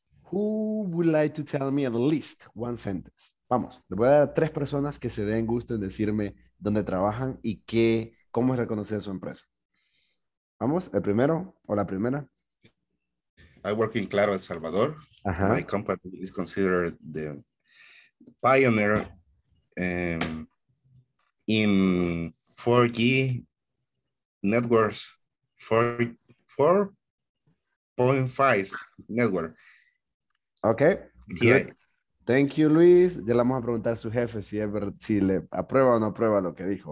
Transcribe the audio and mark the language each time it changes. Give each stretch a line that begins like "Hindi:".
English: Who would like to tell me at least one sentence?
Spanish: Vamos, le voy a dar a tres personas que se den gusto en decirme dónde trabajan y qué, cómo es reconocida su empresa. Vamos, el primero o la primera.
English: I work in Claro, El Salvador. Uh-huh. My company is considered the pioneer in 4G networks, 4.5 network. Okay. Yeah. Thank you, Luis.
Spanish: Ya le vamos a preguntar a su jefe si le aprueba o no aprueba lo que dijo.